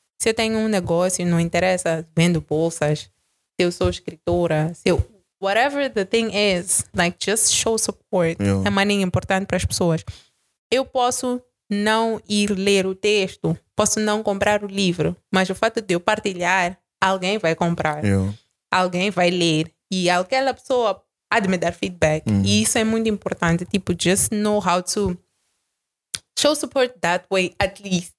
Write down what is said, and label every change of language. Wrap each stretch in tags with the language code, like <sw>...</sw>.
<pt>Se eu tenho um negócio e não interessa, vendo bolsas, se eu sou escritora, se eu...</pt> <en>Whatever the thing is, like, just show support. Yeah.</en> <pt>É maneira importante para as pessoas. Eu posso não ir ler o texto, posso não comprar o livro, mas o fato de eu partilhar, alguém vai comprar.</pt> <en>Yeah.</en> <pt>Alguém vai ler. E aquela pessoa há de me dar feedback. Mm-hmm. E isso é muito importante.</pt> <en>Tipo, just know how to show support that way, at least.</en>